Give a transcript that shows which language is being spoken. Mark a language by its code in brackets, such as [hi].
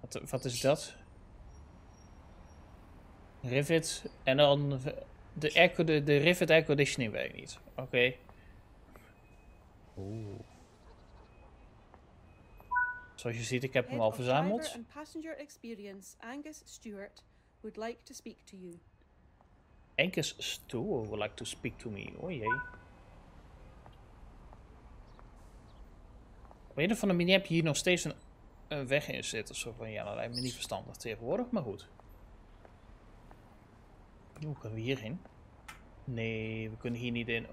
[nl] Wat is dat? Rivet. En dan de rivet air conditioning weet ik niet. Oké. Zoals je ziet, ik heb hem al verzameld. [en] Driver and passenger experience, Angus Stewart would like to speak to you. Angus Stewart would like to speak to me. [nl] Oh jee. Op een of andere manier heb je hier nog steeds een weg in zitten. Zo van ja, dat lijkt me niet verstandig tegenwoordig, maar goed. Hoe kunnen we hierin? Nee, we kunnen hier niet in.